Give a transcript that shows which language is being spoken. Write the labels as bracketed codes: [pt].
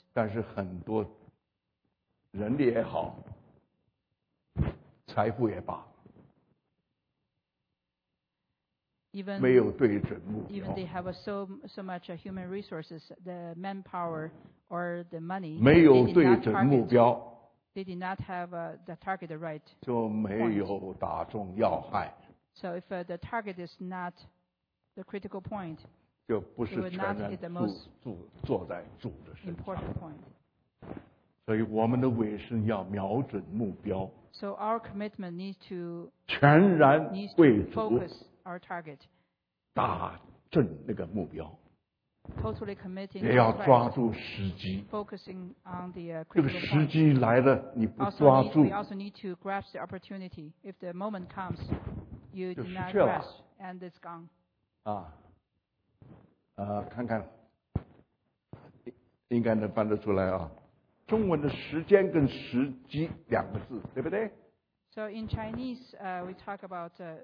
[zh] 但是很多人力也好，财富也罢， [en] even [zh] 没有对准目标。 [en] Even they have so much human resources, the manpower or the money, [zh] 没有对准目标。 [en] They did not have the target right. [zh] 就没有打中要害。 [en] So if the target is not the critical point, [zh] 就不是全然 [en] not the most [zh] 坐在主的身上。 [en] Important point. [zh] 所以我们的委身要瞄准目标。 [en] So our commitment needs to [zh] 全然为主 [en] focus our target. [zh] 打正那个目标。 [en] Totally committing, [zh] 也要抓住时机。 [en] Focusing on the [zh] 这个时机来了，你不抓住。 [en] We also need to grasp the opportunity. If the moment comes, you do not grasp, and it's gone. [zh] 啊，看看，应该能翻得出来啊。中文的时间跟时机两个字，对不对 [en] ？So in Chinese, we talk about.